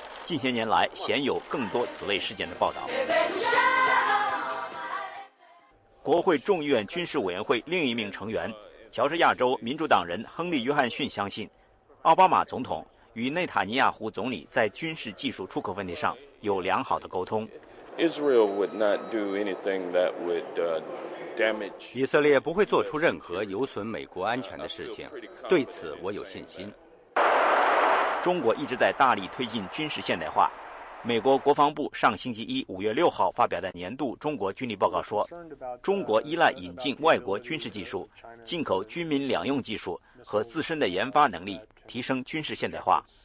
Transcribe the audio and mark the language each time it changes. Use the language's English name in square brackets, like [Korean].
[Chinese] 近些年来，鲜有更多此类事件的报道。国会众议院军事委员会另一名成员、乔治亚州民主党人亨利·约翰逊相信，奥巴马总统与内塔尼亚胡总理在军事技术出口问题上有良好的沟通。 [English] Israel would not do anything that would damage. [Chinese] 以色列不会做出任何有损美国安全的事情，对此我有信心。中国一直在大力推进军事现代化。美国国防部上星期一5月6号发表的年度中国军力报告说，中国依赖引进外国军事技术、进口军民两用技术和自身的研发能力提升军事现代化。